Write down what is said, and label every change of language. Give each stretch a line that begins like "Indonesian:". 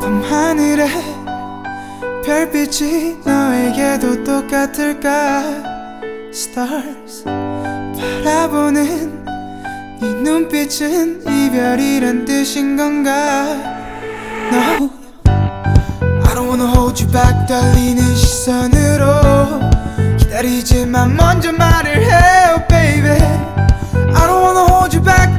Korean: 하늘에 별빛이 너에게도 똑같을까? Stars 바라보는 네 눈빛은 이별이란 뜻인 건가?
English: No. I don't wanna hold you back.
Korean: 달리는 시선으로 기다리지만 먼저 말을 해.
English: Oh baby, I don't wanna hold you back.